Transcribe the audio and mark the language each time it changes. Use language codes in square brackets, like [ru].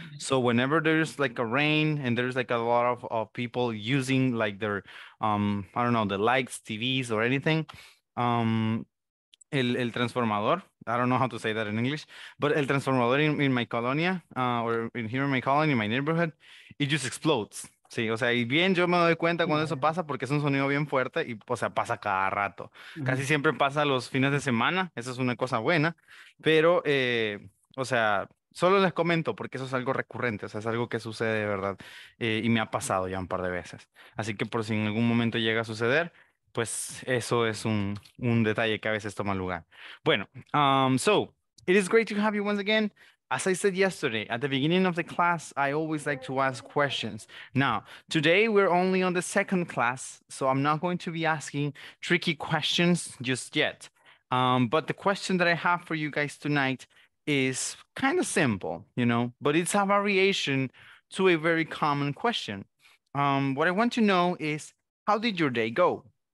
[en] So whenever there's like a rain and there's like a lot of people using like their, I don't know, the lights, TVs or anything, el transformador, I don't know how to say that in English, but el transformador in my colonia, or in here in my colony, in my neighborhood, it just explodes. [es] Sí, o sea, y bien yo me doy cuenta cuando eso pasa, porque es un sonido bien fuerte y, o sea, pasa cada rato. Uh-huh. Casi siempre pasa los fines de semana, eso es una cosa buena, pero, o sea, solo les comento porque eso es algo recurrente, o sea, es algo que sucede de verdad, y me ha pasado ya un par de veces. Así que por si en algún momento llega a suceder, pues eso es un detalle que a veces toma lugar. [en] Bueno, so, it is great to have you once again. As I said yesterday, at the beginning of the class, I always like to ask questions. Now, today we're only on the second class, so I'm not going to be asking tricky questions just yet. But the question that I have for you guys tonight is kind of simple, you know, but it's a variation to a very common question. What I want to know is, how did your day go?